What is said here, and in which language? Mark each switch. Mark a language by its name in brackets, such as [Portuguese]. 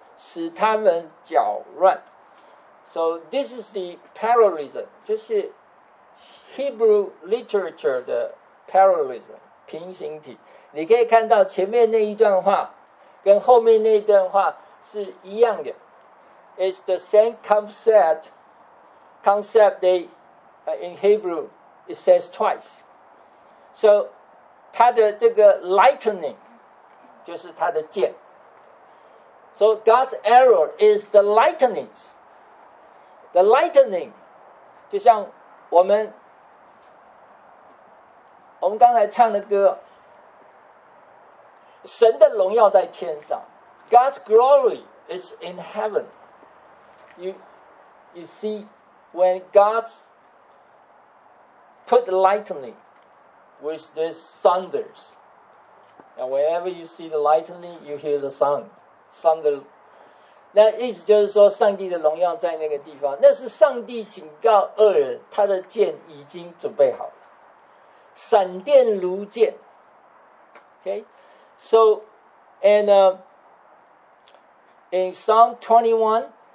[Chinese] 使他们搅乱。 [English] So this is the parallelism, 就是 Hebrew literature 的 parallelism, 平行体。 [Chinese] 你可以看到前面那一段话跟后面那一段话是一样的。 [English] It's the same concept they, in Hebrew, it says twice. [Chinese] So, 他的这个 lightning, 就是他的剑。 [English] So, God's arrow is the lightning. The lightning, [Chinese] 就像我们刚才唱的歌，神的荣耀在天上。 [English] God's glory is in heaven. You see, when God put lightning with this thunders, and whenever you see the lightning, you hear the sound, thunder. [Chinese] 那意思就是说，上帝的荣耀在那个地方，那是上帝警告恶人，他的剑已经准备好了，闪电如剑。 [English] Okay, so and in Psalm 21.